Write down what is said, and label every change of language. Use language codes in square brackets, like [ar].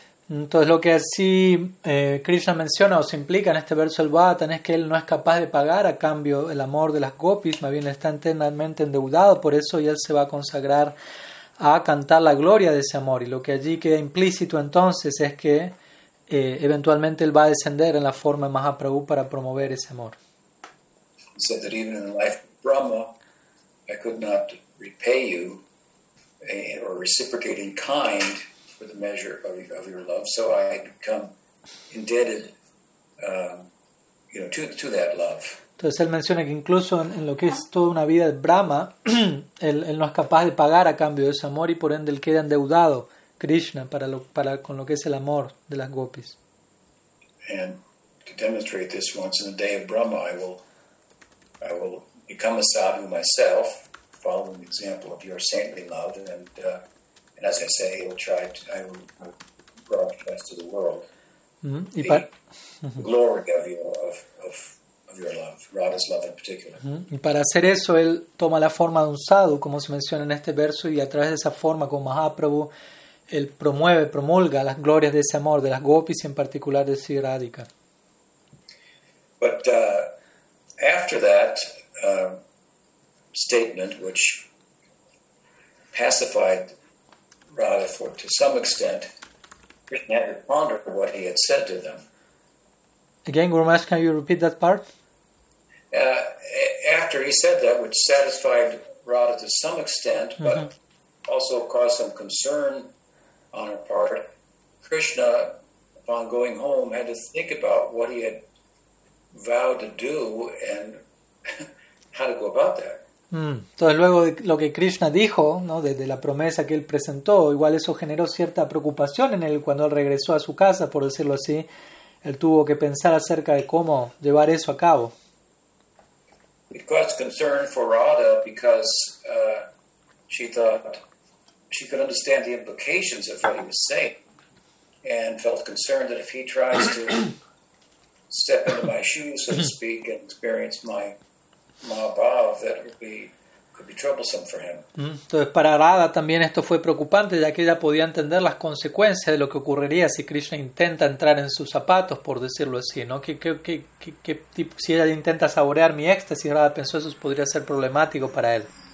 [es] Entonces lo que así Krishna menciona o se implica en este verso del Bhagavatam es que él no es capaz de pagar a cambio el amor de las gopis, más bien está eternamente endeudado, por eso y él se va a consagrar a cantar la gloria de ese amor. Y lo que allí queda implícito entonces es que eventualmente él va a descender en la forma de Mahaprabhu para promover ese amor. [en] He said that even in the life of Brahma, I could not repay you or reciprocate in kind for the measure of your love, so I had become indebted to that love. [es] Entonces él menciona que incluso en lo que es toda una vida de Brahma, él no es capaz de pagar a cambio de ese amor y por ende él queda endeudado, Krishna, para con lo que es el amor de las gopis. [en] And to demonstrate this once in the day of Brahma, I will become a sadhu myself, following the example of your saintly love, and as I say, I will broadcast to the world the glory of your love, Radha's love in particular. [es] Y para hacer eso, él toma la forma de un sadhu, como se menciona en este verso, y a través de esa forma, con Mahaprabhu, él promulga las glorias de ese amor, de las gopis, y en particular de Sri Radhika. [en] But after that statement, which pacified Radha to some extent, Krishna had to ponder what he had said to them. Again, Guru Maharaj, can you repeat that part? After he said that, which satisfied Radha to some extent, but also caused some concern on her part, Krishna, upon going home, had to think about what he had vowed to do and how to go about that. [es] Entonces, luego de lo que Krishna dijo, ¿no?, de la promesa que él presentó, igual eso generó cierta preocupación en él cuando él regresó a su casa, por decirlo así. Él tuvo que pensar acerca de cómo llevar eso a cabo. [en] It caused concern for Radha because she thought she could understand the implications of what he was saying and felt concerned that if he tries to step into my shoes, so to speak, and experience my bhav, that could be troublesome for him. [es] Entonces, para Radha también esto fue preocupante, ya que ella podía entender las consecuencias de lo que ocurriría si Krishna intenta entrar en sus zapatos, por decirlo así, ¿no? Si ella intenta saborear mi éxtasis, Radha pensó, eso podría ser problemático para él.